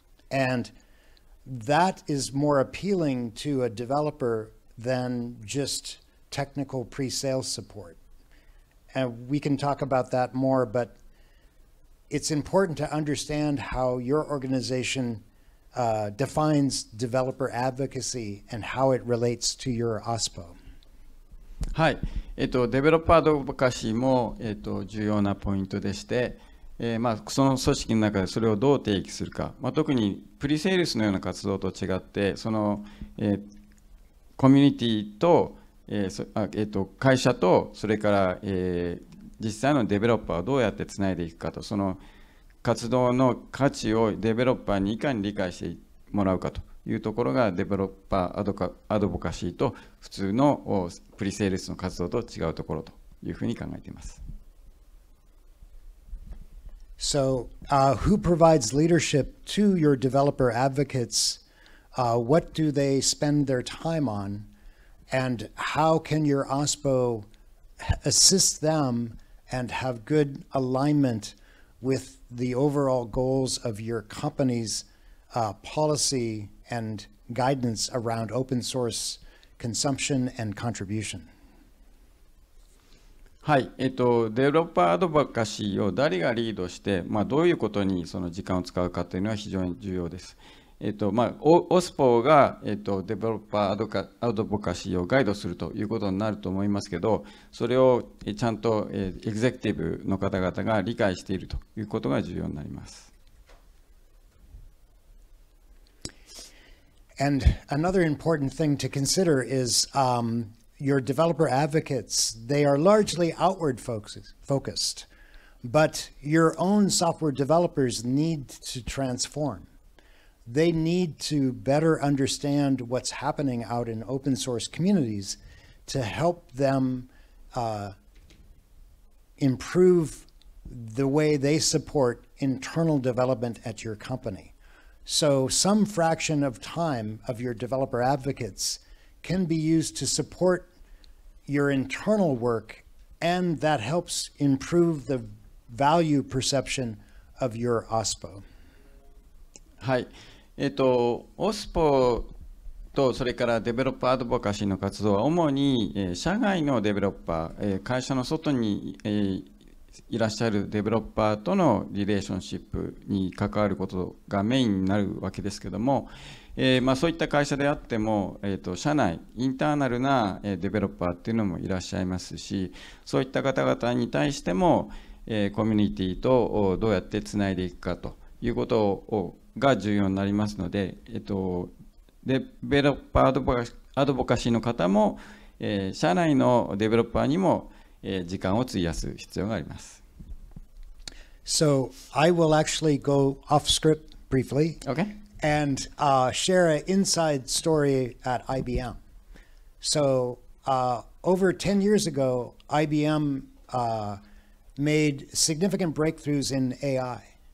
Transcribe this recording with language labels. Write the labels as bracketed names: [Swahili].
[English] And that is more appealing to a developer than just technical pre-sales support. And we can talk about that more, but it's important to understand how your organization defines developer advocacy and how it relates to your OSPO. [Japanese] はい、デベロッパーアドボカシーも、重要なポイントでして、まあ、その組織の中でそれをどう定義するか、まあ、特にプリセールスのような活動と違ってその、コミュニティと、会社とそれから、実際のデベロッパーをどうやってつないでいくかと、その活動の価値をデベロッパーにいかに理解してもらうかというところがデベロッパーアドボカシーと普通のプリセールスの活動と違うところというふうに考えています。 [English] So, who provides leadership to your developer advocates? What do they spend their time on? And how can your OSPO assist them and have good alignment with the overall goals of your company's policy and guidance around open source consumption and contribution? [Japanese] はい、デベロッパーアドボカシーを誰がリードして、まあ、どういうことにその時間を使うかというのは非常に重要です。まあ、OSPO が、デベロッパーアドボカシーをガイドするということになると思いますけど、それをちゃんと、エグゼクティブの方々が理解しているということが重要になります。 [English] And another important thing to consider is, your developer advocates, they are largely outward focused, but your own software developers need to transform. They need to better understand what's happening out in open source communities to help them improve the way they support internal development at your company. So some fraction of time of your developer advocates can be used to supportyour internal work, and that helps improve the value perception of your OSPO. [Japanese] はい。 OSPO とそれからデベロッパーアドボカシーの活動は主に、社外のデベロッパー、会社の外に、いらっしゃるデベロッパーとのリレーションシップに関わることがメインになるわけですけども、まあ、そういった会社であっても、社内インターナルなデベロッパーっていうのもいらっしゃいますし、そういった方々に対しても、コミュニティとどうやってつないでいくかということをが重要になりますので、デベロッパーアドボカシーの方も、社内のデベロッパーにも、時間を費やす必要があります。 [English] So I will actually go off script briefly. Okay. And share an inside story at IBM. So over 10 years ago, IBM made significant breakthroughs in AI.